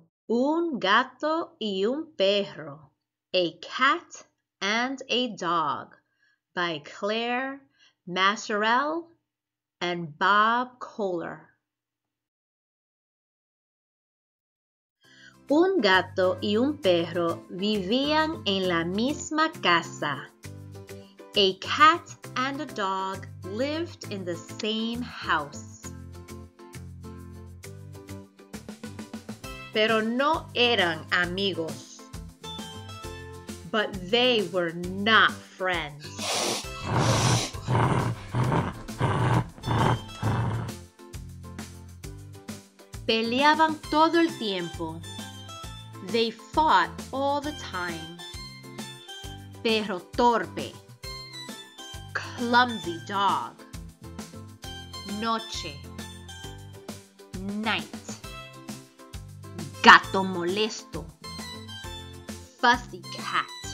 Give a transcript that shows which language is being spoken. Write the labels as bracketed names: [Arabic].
[Spanish] Un gato y un perro. [English] A Cat and a Dog by Claire Masserell and Bob Kohler. [Spanish] Un gato y un perro vivían en la misma casa. [English] A cat and a dog lived in the same house. [Spanish] Pero no eran amigos. [English] But they were not friends. [Spanish] Peleaban todo el tiempo. [English] They fought all the time. [Spanish] Perro torpe. [English] Clumsy dog. [Spanish] Noche. [English] Night. [Spanish] Gato molesto. [English] Fussy cat.